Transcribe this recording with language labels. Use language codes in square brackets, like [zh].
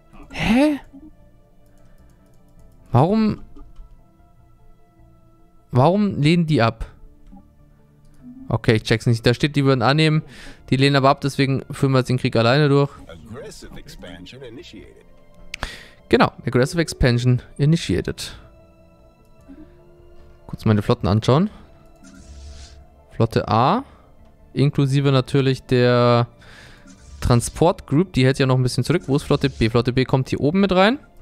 [de] Hä? Warum? Warum lehnen die ab? Okay, ich check's nicht. Da steht, die würden annehmen. Die lehnen aber ab, deswegen führen wir jetzt den Krieg alleine durch. [en] Aggressive Expansion initiated. [de] Genau, [en] Aggressive Expansion initiated. [de] Kurz meine Flotten anschauen. Flotte A. Inklusive natürlich der Transport Group, die hält ja noch ein bisschen zurück. Wo ist Flotte B? Flotte B kommt hier oben mit rein.